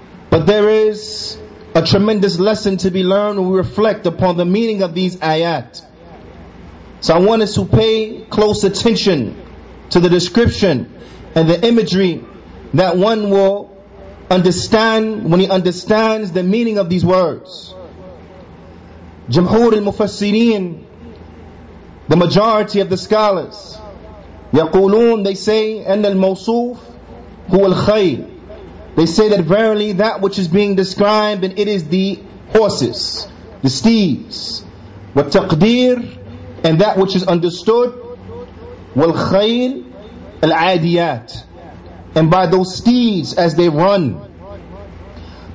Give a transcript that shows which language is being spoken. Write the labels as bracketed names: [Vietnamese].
[English] But there is a tremendous lesson to be learned when we reflect upon the meaning of these ayat. So I want us to pay close attention to the description and the imagery that one will understand when he understands the meaning of these words. [Arabic] جمهور المفسرين, [English] the majority of the scholars, [Arabic] يقولون, [English] they say, [Arabic] أن الموصوف هو الخيل. [English] They say that verily that which is being described, and it is the horses, the steeds. [Arabic] والتقدير [English] And that which is understood, [Arabic] والخيل العاديات [English] And by those steeds as they run.